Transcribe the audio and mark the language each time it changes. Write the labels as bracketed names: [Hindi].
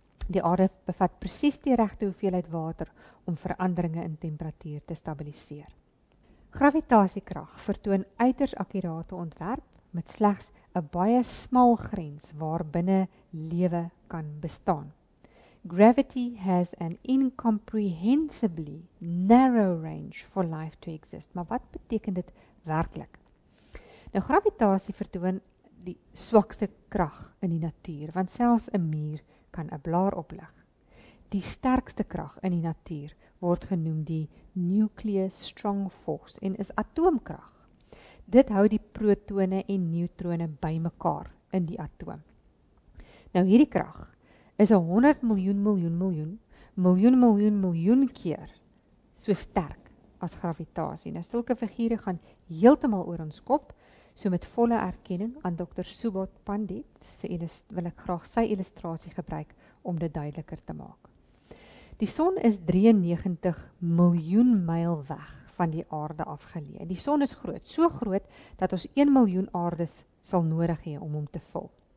[Afrikaans] Die aarde bevat presies die regte hoeveelheid water om veranderinge in temperatuur te stabiliseer. Gravitasiekrag vertoon uiters akkurate ontwerp met slegs 'n baie smal grens waarbinne lewe kan bestaan. [English] Gravity has an incomprehensibly narrow range for life to exist. [Afrikaans] Maar wat beteken dit werklik? Nou, gravitasie vertoon die swakste krag in die natuur, want selfs 'n muur kan 'n blaar oplig. Die sterkste krag in die natuur word genoem die nuclear strong force en is atoomkrag. Dit hou die protone en neutrone bymekaar in die atoom. Nou, hierdie krag is 100 miljoen miljoen miljoen miljoen miljoen miljoen keer so sterk as gravitasie. Nou, sulke figure gaan heeltemal oor ons kop. So met volle erkenning aan Dr. Subodh Pandit, wil ek graag sy illustrasie gebruik om dit duideliker te maak. Die son is 93 miljoen myl weg van die aarde afgeleë. Die son is groot, so groot dat ons 1 miljoen aardes sal nodig hê om hom te vul.